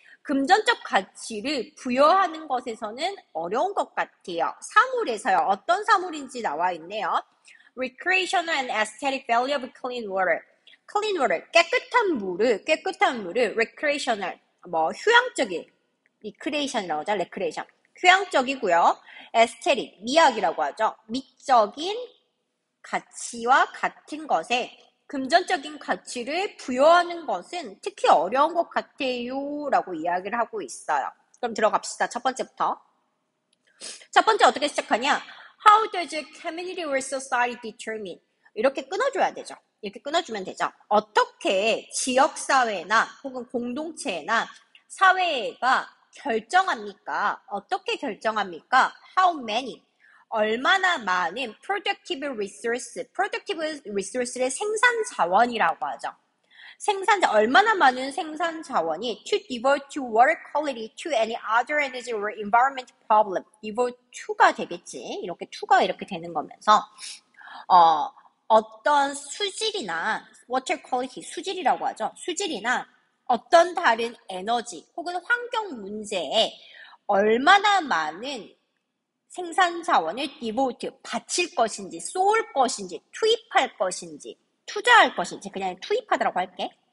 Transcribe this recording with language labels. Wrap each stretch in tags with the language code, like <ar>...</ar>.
<ko>금전적 가치를 부여하는 것에서는 어려운 것 같아요. 사물에서요. 어떤 사물인지 나와 있네요.</ko> <en>Recreational and aesthetic value of clean water. Clean water.</en> <ko>깨끗한 물을 recreational. 뭐, 휴양적인. Recreation이라고 하죠. Recreation. 휴양적이고요. Aesthetic. 미학이라고 하죠. 미적인 가치와 같은 것에 금전적인 가치를 부여하는 것은 특히 어려운 것 같아요라고 이야기를 하고 있어요. 그럼 들어갑시다. 첫 번째부터. 첫 번째 어떻게 시작하냐?</ko> <en>How does a community or society determine?</en> <ko>이렇게 끊어줘야 되죠. 이렇게 끊어주면 되죠. 어떻게 지역사회나 혹은 공동체나 사회가 결정합니까? 어떻게 결정합니까?</ko> <en>How many?</en> <ko>얼마나 많은 productive resource, productive resource의 생산 자원이라고 하죠. 얼마나 많은 생산 자원이</ko> <en>to devote to water quality to any other energy or environment problem.</en> <ko>devote to가 되겠지. 이렇게 to가 이렇게 되는 거면서, 어떤 수질이나 water quality, 수질이라고 하죠. 수질이나 어떤 다른 에너지 혹은 환경 문제에 얼마나 많은 생산 자원을 devote, 바칠 것인지, 쏠 것인지, 투입할 것인지, 투자할 것인지, 그냥 투입하더라고 할게.</ko>